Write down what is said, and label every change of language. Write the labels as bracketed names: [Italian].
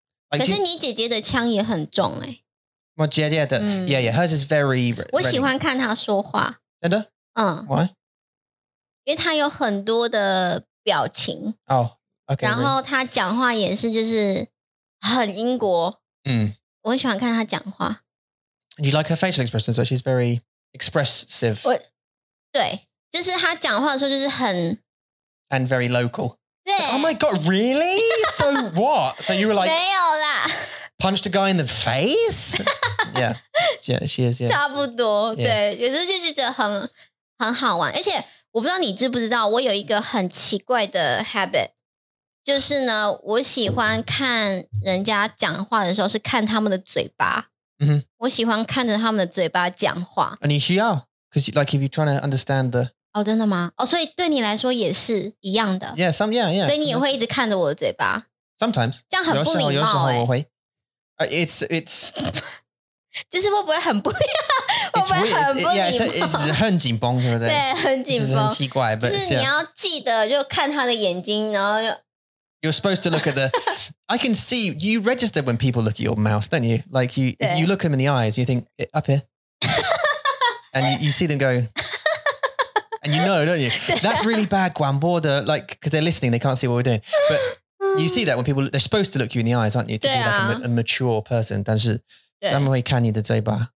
[Chinese] 可是你姐姐的腔也很重哎。 [English] My dad, yeah, the, yeah, yeah. Hers is very. [Chinese] 我喜欢看她说话。真的？Why? 因为她有很多的表情。 [English] Oh, okay. [Chinese] 然后她讲话也是，就是很英国。我很喜欢看她讲话。 [English] You like her facial expressions, so she's very expressive. [Chinese] 对，就是她讲话的时候就是很 [English] and very local. [Chinese] 对。 [English] Oh my god, really? So what? So you were like [Chinese] 没有啦。 [English] Punched a guy in the face? Yeah, yeah, she is, yeah. [Chinese] 差不多,对,有时候就觉得很好玩。而且,我不知道你知不知道,我有一个很奇怪的 habit。就是呢，我喜欢看人家讲话的时候是看他们的嘴巴。 Mm-hmm. 我喜欢看着他们的嘴巴讲话。 [English] And you should, because like if you're trying to understand the. [Chinese] 哦，真的吗？哦，所以对你来说也是一样的。 [English] Yeah, some yeah yeah. [Chinese] 所以你也会一直看着我的嘴巴。 [English] Sometimes. [Chinese] 这样很不礼貌。有时候我会。It's 就是会不会很不一样？会不会很不礼貌？ It's 很紧绷，对不对？对，很紧绷，很奇怪。就是你要记得，就看他的眼睛，然后就。 [English] You're supposed to look at the. I can see you register when people look at your mouth, don't you? Like you, if you look them in the eyes, you think up here, and you see them go, and you know, don't you? That's really bad, Guanbo. The like because they're listening, they can't see what we're doing. But you see that when people they're supposed to look you in the eyes, aren't you? To be like a mature person, [Chinese] 但是他们会看你的嘴巴，